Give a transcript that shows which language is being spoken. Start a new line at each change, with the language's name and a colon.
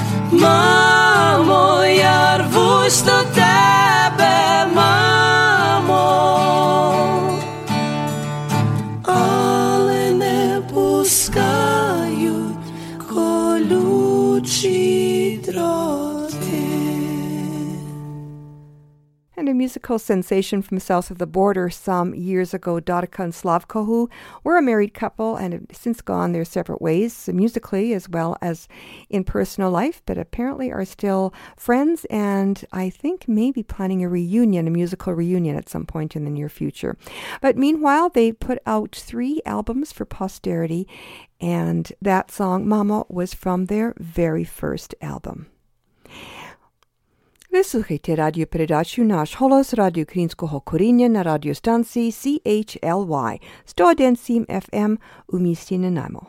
Ukrainian: Мамо, я рвусь до тебе, мамо, але не пускають колючі.
English: And a musical sensation from south of the border some years ago, Darka and Slavko, who were a married couple and have since gone their separate ways, so musically as well as in personal life, but apparently are still friends and I think maybe planning a reunion, a musical reunion at some point in the near future. But meanwhile, they put out three albums for posterity, and that song, Mama, was from their very first album.
Ukrainian: Ви слухайте радіопередачу «Наш голос» радіо Українського коріння на радіостанції CHLY 101.7 FM у місті Нанаймо.